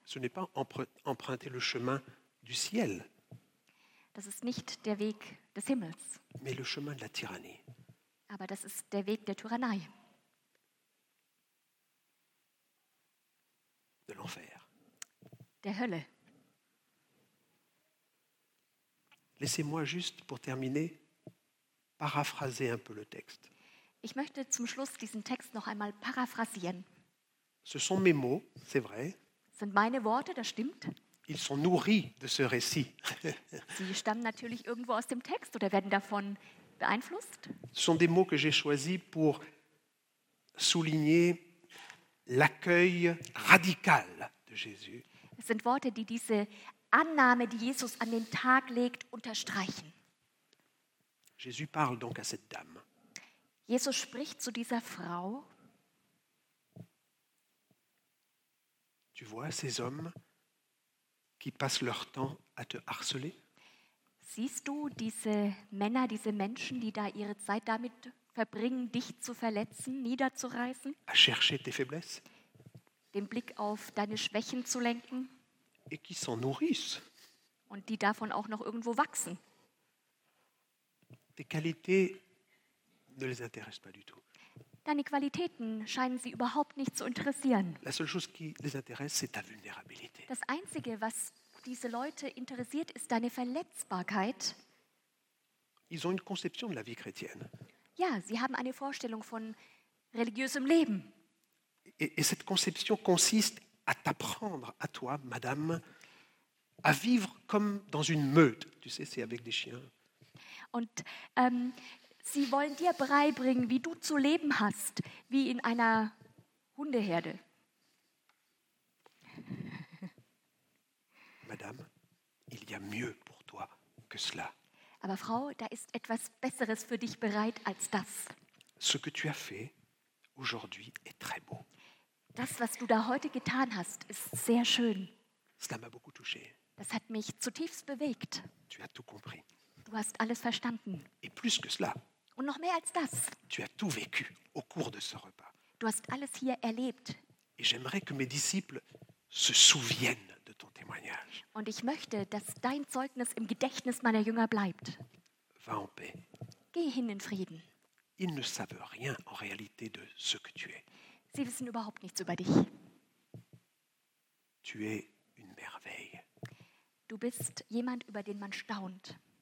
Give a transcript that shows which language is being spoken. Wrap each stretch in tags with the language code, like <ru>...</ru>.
<fr>Ce n'est pas emprunter le chemin du ciel.</fr> <de>Das ist nicht der Weg des Himmels.</de> <fr>Mais le chemin de la tyrannie.</fr> <de>Aber das ist der Weg der Tyrannei.</de> <fr>De l'enfer.</fr> <de>Der Hölle.</de> <fr>Laissez-moi juste pour terminer paraphraser un peu le texte.</fr> <de>Ich möchte zum Schluss diesen Text noch einmal paraphrasieren.</de> <fr>Ce sont mes mots, c'est vrai.</fr> <de>Sind meine Worte, das stimmt.</de> <fr>Ils sont nourris de ce récit.</fr> <de>Sie stammen natürlich irgendwo aus dem Text oder werden davon beeinflusst.</de> <fr>Ce sont des mots que j'ai choisis pour souligner l'accueil radical de Jésus.</fr> <de>Es sind Worte, die diese Annahme, die Jesus an den Tag legt, unterstreichen.</de> <fr>Jésus parle donc à cette dame.</fr> <de>Jesus spricht zu dieser Frau.</de> <fr>Tu vois ces hommes qui passent leur temps à te harceler?</fr> <de>Siehst du diese Männer, diese Menschen, die da ihre Zeit damit verbringen, dich zu verletzen, niederzureißen?</de> <fr>À chercher tes faiblesses?</fr> <de>Den Blick auf deine Schwächen zu lenken?</de> <fr>Et qui s'en nourrissent.</fr> <de>Und die davon auch noch irgendwo wachsen.</de> <fr>Tes qualités ne les intéressent pas du tout.</fr> <de>Deine Qualitäten scheinen sie überhaupt nicht zu interessieren.</de> <fr>La seule chose qui les intéresse, c'est ta vulnérabilité.</fr> <de>Das Einzige, was diese Leute interessiert, ist deine Verletzbarkeit.</de> <fr>Ils ont une conception de la vie chrétienne.</fr> <de>Ja, sie haben eine Vorstellung von religiösem Leben.</de> <fr>Et cette conception consiste à t'apprendre à toi, madame, à vivre comme dans une meute. Tu sais, c'est avec des chiens.</fr> <de>Und Sie wollen dir beibringen, wie du zu leben hast, wie in einer Hundeherde.</de> <fr>Madame, il y a mieux pour toi que cela.</fr> <de>Aber Frau, da ist etwas Besseres für dich bereit als das.</de> <fr>Ce que tu as fait aujourd'hui est très beau.</fr> <de>Das, was du da heute getan hast, ist sehr schön.</de> <fr>Cela m'a beaucoup touché.</fr> <de>Das hat mich zutiefst bewegt.</de> <fr>Tu as tout compris.</fr> <de>Du hast alles verstanden.</de> <fr>Et plus que cela.</fr> <de>Und noch mehr als das.</de> <fr>Tu as tout vécu au cours de ce repas.</fr> <de>Du hast alles hier erlebt.</de> <fr>Et j'aimerais que mes disciples se souviennent de ton témoignage.</fr> <de>Und ich möchte, dass dein Zeugnis im Gedächtnis meiner Jünger bleibt.</de> <fr>Va en paix.</fr> <de>Geh hin in Frieden.</de> <fr>Ils ne savent rien en réalité de ce que tu es.</fr> <de>Sie wissen überhaupt nichts über dich.</de> <fr>Tu es une merveille.</fr> <de>Du bist jemand, über den man staunt.</de>